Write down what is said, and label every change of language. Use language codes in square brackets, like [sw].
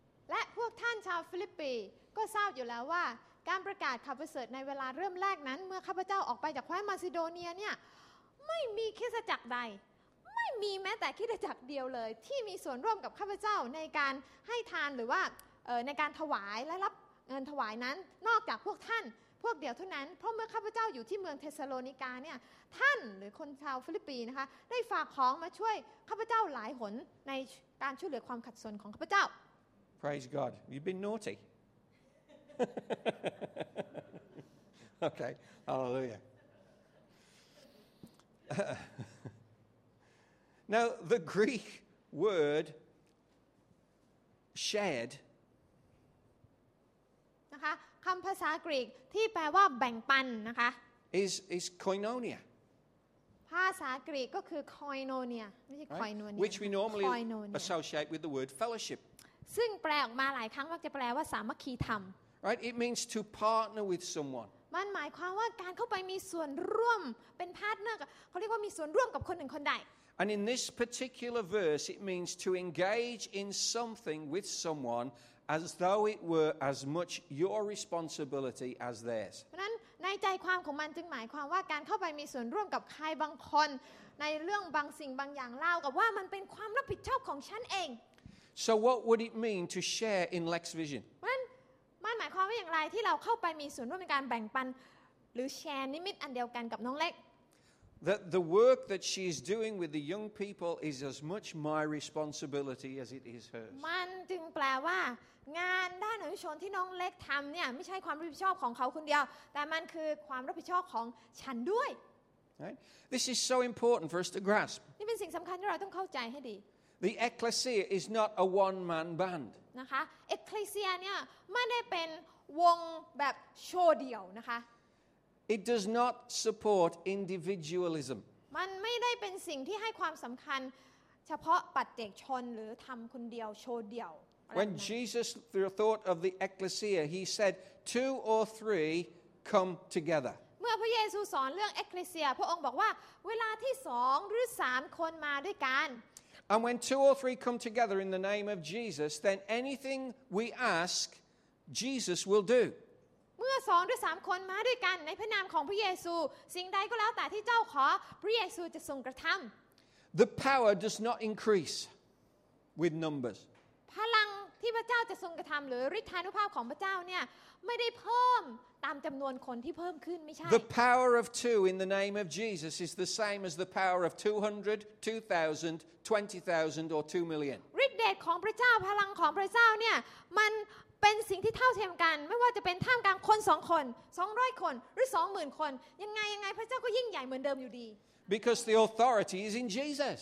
[th] และพวกท่านชาวฟิลิปปีก็ทราบอยู่แล้วว่าการประกาศข่าวประเสริฐในเวลาเริ่มแรกนั้นเมื่อข้าพเจ้าออกไปจากแคว้นมาซิโดเนียเนี่ยไม่มีคริสตจักรใดไม่มีแม้แต่คริสตจักรเดียวเลยที่มีส่วนร่วมกับข้าพเจ้าในการให้ทานหรือว่าในการถวายและรับเงินถวายนั้นนอกจากพวกท่านพวกเดียวเท่านั้นเพราะเมื่อข้าพเจ้าอยู่ที่เมืองเทสซาโลนิกาเนี่ยท่านหรือคนชาวฟิลิปปีนะคะได้ฝากของมาช่วยข้าพเจ้าหลายหนในการช่วยเหลือความขัดสนของข้าพเจ้า [en] Praise God you've been naughty Okay Hallelujah Now the Greek word shared [th] นะคะคำภาษากรีกที่แปลว่าแบ่งปันนะคะ [en] is koinonia [th] ภาษากรีกก็คือ koinonia ไม่ใช่ koinonia [en] which we normally associate with the word fellowship [th] ซึ่งแปลออกมาหลายครั้งมักจะแปลว่าสามัคคีธรรม [en] right it means to partner with someone [th] มันหมายความว่าการเข้าไปมีส่วนร่วมเป็นพาร์ทเนอร์เขาเรียกว่ามีส่วนร่วมกับคนหนึ่งคนใด [en] and in this particular verse it means to engage in something with someoneas though it were as much your responsibility as theirs [th] เพราะนั้นในใจความของมันจึงหมายความว่าการเข้าไปมีส่วนร่วมกับใครบางคนในเรื่องบางสิ่งบางอย่างเล่ากับว่ามันเป็นความรับผิดชอบของฉันเอง [en] So what would it mean to share in Lex Vision [th] มันหมายความว่าอย่างไรที่เราเข้าไปมีส่วนร่วมในการแบ่งปันหรือแชร์นิมิตอันเดียวกันกับน้องเล็ก [en] That the work that she is doing with the young people is as much my responsibility as it is hers [th] มันจึงแปลว่างานด้านอนุชนที่น้องเล็กทำเนี่ยไม่ใช่ความรับผิดชอบของเขาคนเดียวแต่มันคือความรับผิดชอบของฉันด้วย [en] Right? This is so important for us to grasp. [th] นี่เป็นสิ่งสำคัญที่เราต้องเข้าใจให้ดี [en] The ecclesia is not a one-man band. [th] นะคะ ecclesia เนี่ยไม่ได้เป็นวงแบบโชว์เดียวนะคะ [en] It does not support individualism. [th] มันไม่ได้เป็นสิ่งที่ให้ความสำคัญเฉพาะปัจเจกชนหรือทำคนเดียวโชว์เดียว [en] When Jesus thought of the ecclesia, he said, two or three come together. [th] เมื่อพระเยซูสอนเรื่องเอ็กคลีเซียพระองค์บอกว่าเวลาที่สองหรือสามคนมาด้วยกัน [en] And when two or three come together in the name of Jesus, then anything we ask, Jesus will do. [th] เมื่อสองหรือสามคนมาด้วยกันในพระนามของพระเยซูสิ่งใดก็แล้วแต่ที่เจ้าขอพระเยซูจะทรงกระทำ [en] The power does not increase with numbers. [th] พลังที่พระเจ้าจะทรงกระทำหรือฤทธานุภาพของพระเจ้าเนี่ยไม่ได้เพิ่มตามจำนวนคนที่เพิ่มขึ้นไม่ใช่ [en] The power of two in the name of Jesus is the same as the power of 200, 2,000, 20,000 or 2 million [th] ฤทธิ์เดชของพระเจ้าพลังของพระเจ้าเนี่ยมันเป็นสิ่งที่เท่าเทียมกันไม่ว่าจะเป็นท่ามกลางคน2คน200คนหรือ 20,000 คนยังไงพระเจ้าก็ยิ่งใหญ่เหมือนเดิมอยู่ดี [en] Because the authority is in Jesus.